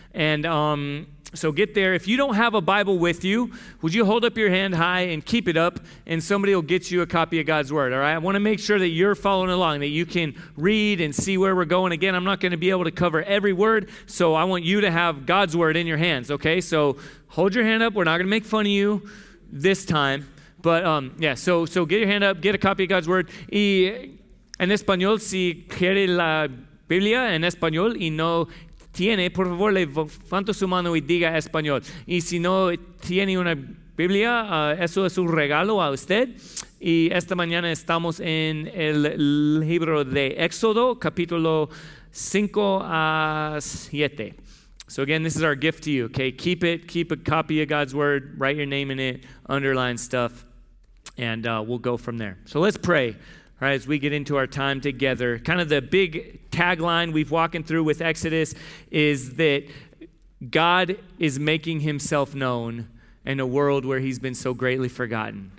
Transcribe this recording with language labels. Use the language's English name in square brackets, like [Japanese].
[English] And so get there. If you don't have a Bible with you, would you hold up your hand high and keep it up, and somebody will get you a copy of God's word, all right? I want to make sure that you're following along, that you can read and see where we're going. Again, I'm not going to be able to cover every word, so I want you to have God's word in your hands, okay? So hold your hand up. We're not going to make fun of you this time. But so get your hand up, get a copy of God's word. [Spanish] En español, si quiere la Biblia en español y no tiene, por favor, levante su mano y diga español. Y si no tiene una Biblia, eso es un regalo a usted. Y esta mañana estamos en el libro de Éxodo, capítulo 5 a 7. [English] So again, this is our gift to you, okay? Keep it, keep a copy of God's word, write your name in it, underline stuff. And we'll go from there. So let's pray, all right, as we get into our time together. Kind of the big tagline we've walking through with Exodus is that God is making himself known in a world where he's been so greatly forgotten.